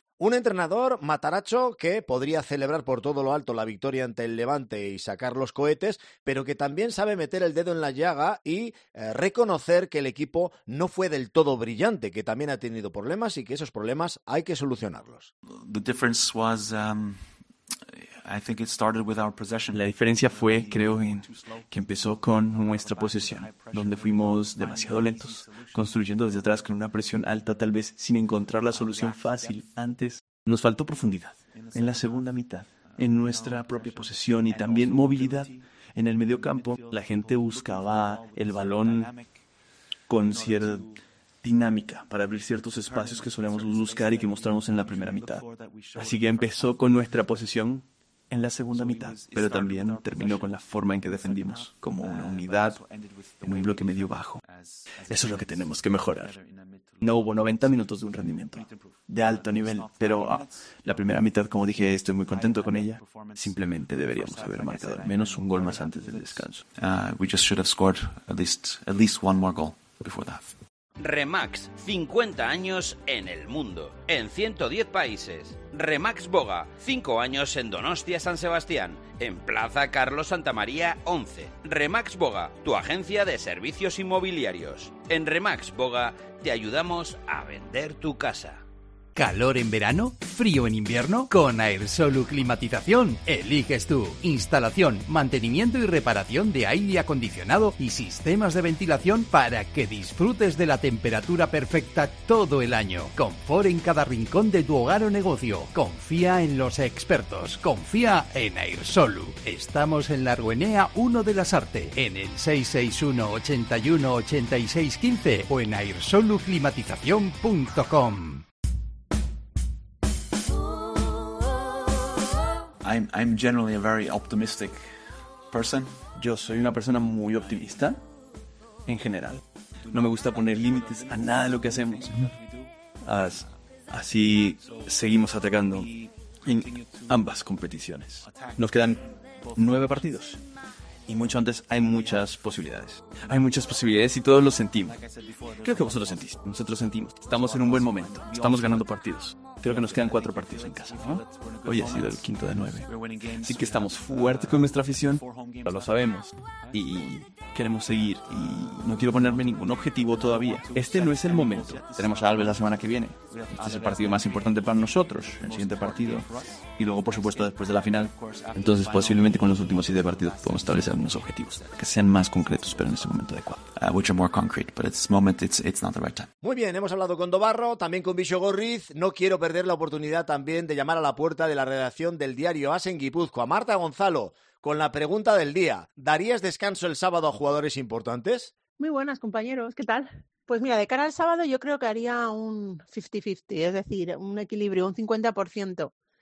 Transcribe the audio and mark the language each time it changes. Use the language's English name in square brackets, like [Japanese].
[Spanish] Un entrenador, Mataracho, que podría celebrar por todo lo alto la victoria ante el Levante y sacar los cohetes, pero que también sabe meter el dedo en la llaga y reconocer que el equipo no fue del todo brillante, que también ha tenido problemas y que esos problemas hay que solucionarlos. [English] The difference was, I think it started with our possession. [Spanish] La diferencia fue, creo, en que empezó con nuestra posesión, donde fuimos demasiado lentos, construyendo desde atrás con una presión alta, tal vez sin encontrar la solución fácil antes. Nos faltó profundidad en la segunda mitad, en nuestra propia posesión y también movilidad en el mediocampo. La gente buscaba el balón con cierta dinámica para abrir ciertos espacios que solemos buscar y que mostramos en la primera mitad. Así que empezó con nuestra posesión en la segunda mitad, pero también terminó con la forma en que defendimos, como una unidad, en un bloque medio bajo. Eso es lo que tenemos que mejorar. No hubo 90 minutos de un rendimiento de alto nivel, pero la primera mitad, como dije, estoy muy contento con ella. Simplemente deberíamos haber marcado al menos un gol más antes del descanso. [English] We just should have scored at least one more goal before that. [Spanish] Remax, 50 años en el mundo, en 110 países. Remax Boga, 5 años en Donostia, San Sebastián, en Plaza Carlos Santa María 11. Remax Boga, tu agencia de servicios inmobiliarios. En Remax Boga te ayudamos a vender tu casa. ¿Calor en verano? ¿Frío en invierno? Con Aersolu Climatización eliges tú. Instalación, mantenimiento y reparación de aire acondicionado y sistemas de ventilación para que disfrutes de la temperatura perfecta todo el año. Confort en cada rincón de tu hogar o negocio. Confía en los expertos. Confía en Aersolu. Estamos en la Arguenea 1 de la Sarte, en el 661-81-8615 o en aersoluclimatización.com. [English] I'm generally a very optimistic person. [Spanish] Yo soy una persona muy optimista, en general. No me gusta poner límites a nada de lo que hacemos. Así seguimos atacando en ambas competiciones. Nos quedan 9 partidos. Y mucho antes hay muchas posibilidades. Hay muchas posibilidades y todos lo sentimos. Creo que vosotros sentís. Nosotros sentimos. Estamos en un buen momento. Estamos ganando partidos. Creo que nos quedan 4 partidos en casa, ¿no? Hoy ha sido el 5-9. Así que estamos fuertes con nuestra afición. Ya lo sabemos. Y queremos seguir. Y no quiero ponerme ningún objetivo todavía. Este no es el momento. Tenemos a Alves la semana que viene. Este es el partido más importante para nosotros. El siguiente partido. Y luego, por supuesto, después de la final. Entonces, posiblemente con los últimos 7 partidos podemos establecer unos objetivos. Que sean más concretos, pero en este momento adecuado. [English] Which are more concrete, but at this moment it's not the right time. [Spanish] Muy bien, hemos hablado con Dobarro, también con Bixogorriz. No quiero perder la oportunidad también de llamar a la puerta de la redacción del diario AS en Guipúzcoa, Marta Gonzalo, con la pregunta del día. ¿Darías descanso el sábado a jugadores importantes? Muy buenas, compañeros. ¿Qué tal? Pues mira, de cara al sábado yo creo que haría un 50-50, es decir, un equilibrio, un 50%.